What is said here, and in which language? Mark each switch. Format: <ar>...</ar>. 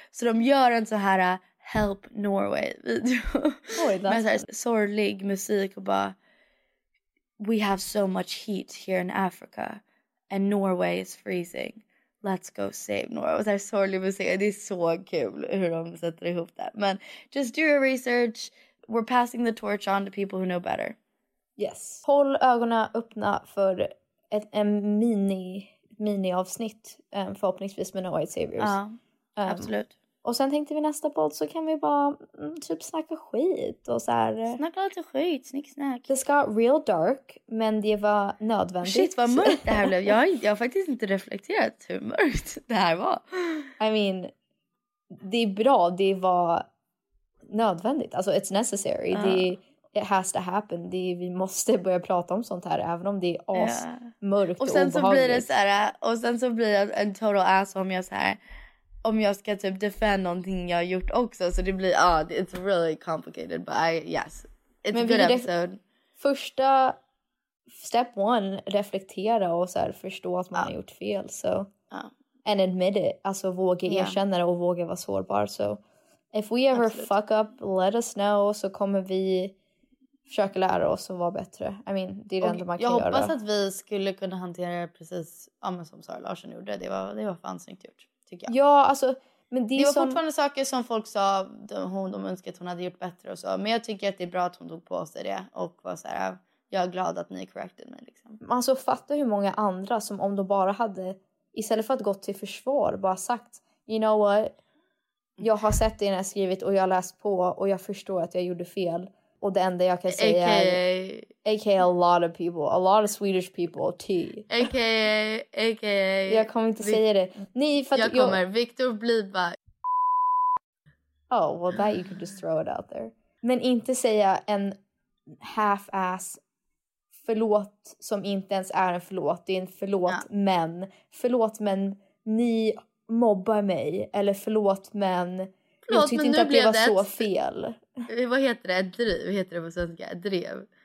<sv>Så de gör en så här</sv> <en>help Norway video.</en> <sv>Med så här sorglig musik och bara</sv> <en>we have so much heat here in Africa and Norway is freezing. Let's go save Norway.</en> <sv>Det är så sorglig musik. Det är så kul hur de sätter ihop det.</sv> <en>Men just do your research. We're passing the torch on to people who know better. Yes.</en> <sv>Håll ögonen öppna för en mini avsnitt förhoppningsvis med No White Saviors. Ja, absolut. Och sen tänkte vi nästa podd så kan vi bara typ snacka skit och så här. Snacka lite skit, snick snack. Det ska real dark, men det var nödvändigt. Shit, vad mörkt det här blev. Jag har faktiskt inte reflekterat hur mörkt det här var.</sv> <en>I mean,</en> <sv>det är bra, det var nödvändigt. Alltså,</sv> <en>it's necessary.</en> <sv>Det,</sv> <en>it has to happen.</en> <sv>Det, vi måste börja prata om sånt här, även om det är asmörkt och sen obehagligt. Så blir det så här, och sen så blir jag en total ass om jag så här... Om jag ska typ defend någonting jag har gjort också. Så det blir,</sv> <en>it's really complicated. But yes, it's men a good episode.</en> <sv>Första step one, reflektera och så här, förstå att man har gjort fel. So.</sv> <en>And admit it.</en> <sv>Alltså våga erkänna det och våga vara sårbar.</sv> <en>So if we ever fuck up, let us know.</en> <sv>Så kommer vi försöka lära oss och vara bättre. I mean, det är det enda man kan jag göra. Jag hoppas att vi skulle kunna hantera det precis som Sara Larsson gjorde. Det var fan snyggt gjort. Men det var fortfarande saker som folk sa de önskade att hon hade gjort bättre och så. Men jag tycker att det är bra att hon tog på sig det och var så här, jag är glad att ni corrected mig liksom. Alltså fattar hur många andra som om de bara hade istället för att gått till försvar bara sagt,</sv> <en>you know what,</en> <sv>jag har sett det när jag skrivit och jag har läst på och jag förstår att jag gjorde fel och det enda jag kan säga AKA...</sv> <en>är AKA a lot of people, a lot of Swedish people, T. AKA.</en> <sv>Jag kommer inte säga det. Nej, för att jag kommer. Victor blir bara...</sv> <en>Oh, well that you could just throw it out there.</en> <sv>Men inte säga en half-ass förlåt som inte ens är en förlåt. Det är en förlåt, men. Förlåt, men ni mobbar mig. Eller förlåt, men förlåt, jag tyckte men inte att det var så fel. Vad heter det? Driv? Heter det på svenska? Drev.</sv>